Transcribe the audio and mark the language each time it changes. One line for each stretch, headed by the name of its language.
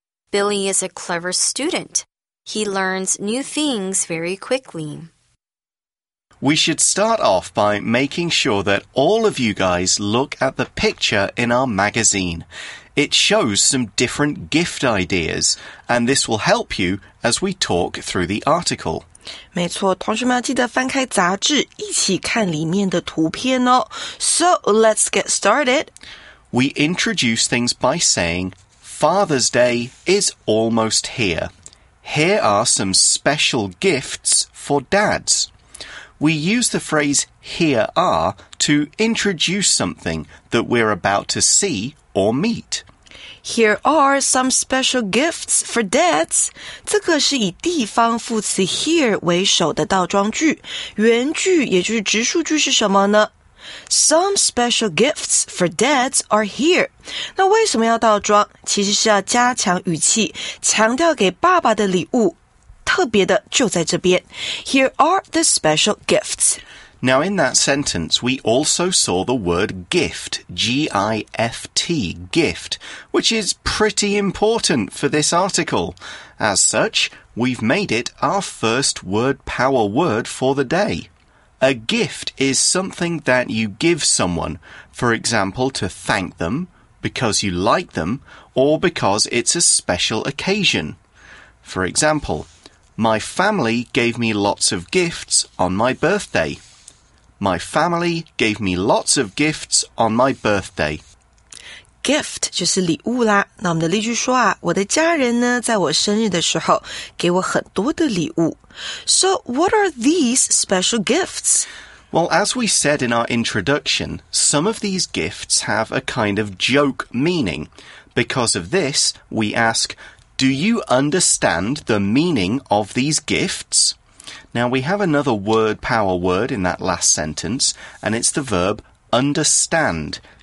English: Billy is a clever student. He learns new things very quickly. We should start off by making sure that all of you guys look at the picture in our magazine. It shows some different gift ideas, and this will help you as we talk through the article.
Chinese: 没错，同学们记得翻开杂志，一起看里面的图片哦。
English: So, let's get started. We introduce things by saying, Father's Day is almost here. Here are some special gifts for dads. We use the phrase here are to introduce something that we're about to see or meet. Here are some special gifts for dads.
Chinese: 这个是以地方副词 here 为首的倒装句。原句也就是直述句是什么呢?
English: Some special gifts for dads are here.
Chinese: 那为什么要倒装?其实是要加强语气,强调给爸爸的礼物。特别的就在这边。
English: Here are the special gifts. Now in that sentence, we also saw the word gift, G-I-F-T, gift, which is pretty important for this article. As such, we've made it our first word power word for the day. A gift is something that you give someone, for example, to thank them, because you like them, or because it's a special occasion. For example, my family gave me lots of gifts on my birthday. My family gave me lots of gifts on my birthday.
Chinese: Gift 就是礼物啦。那我们的例句说啊，我的家人呢，在我生日的时候给我很多的礼物。
English: So, what are these special gifts? Well, as we said in our introduction, some of these gifts have a kind of joke meaning. Because of this, we ask, do you understand the meaning of these gifts? Now, we have another word power word in that last sentence, and it's the verb understand.